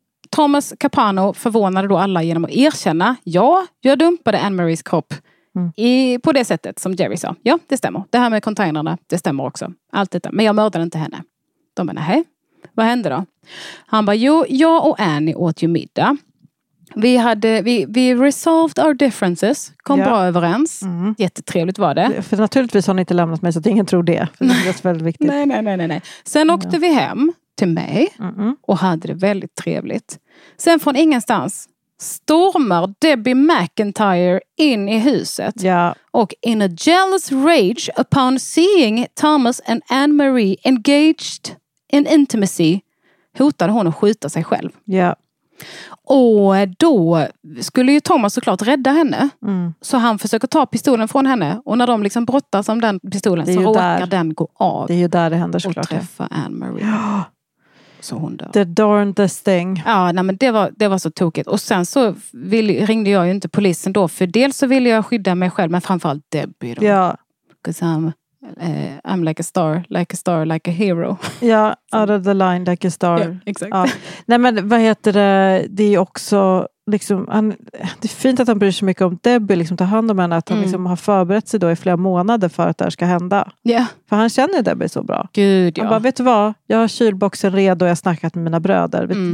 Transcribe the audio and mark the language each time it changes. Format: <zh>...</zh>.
<sv>Thomas Capano förvånade då alla genom att erkänna, ja, jag dumpade Anne-Maries kropp på det sättet som Jerry sa. Ja, det stämmer. Det här med containerna, det stämmer också. Allt detta. Men jag mördade inte henne. De bara, nej. Vad hände då? Han bara, jo, jag och Annie åt ju middag. Vi</sv> <en>resolved our differences.</en> <sv>Kom bra överens. Mm. Jättetrevligt var det. För naturligtvis har ni inte lämnat mig så att ingen tror det. För det är väldigt viktigt. Nej. Sen åkte vi hem till mig och hade det väldigt trevligt. Sen från ingenstans stormar Debbie McIntyre in i huset. Ja. Och</sv> <en>in a jealous rage upon seeing Thomas and Anne-Marie engaged in intimacy</en> <sv>hotade hon att skjuta sig själv. Ja. Och då skulle ju Thomas såklart rädda henne. Mm. Så han försöker ta pistolen från henne. Och när de liksom brottas om den pistolen så råkar där den gå av. Det är ju där det händer såklart. Och träffa Anne-Marie. Ja. Så hon dör.</sv> <en>The darndest thing.</en> <sv>Ja, nej, men det var så tokigt. Och sen så ringde jag ju inte polisen då. För dels så ville jag skydda mig själv. Men framförallt Debbie då. Ja.</sv> <en>Because I'm like a star, like a hero.</en> <sv>Ja,</sv> <en>out of the line, like a star.</en> <sv>Ja, exakt. Ja. Nej, men vad heter det? Det är också liksom, det är fint att han bryr sig mycket om Debbie, liksom tar hand om henne, att han liksom har förberett sig då i flera månader för att det här ska hända. Ja. För han känner Debbie så bra. Gud, ja. Han bara, vet du vad? Jag har kylboxen redo och jag har snackat med mina bröder.</sv>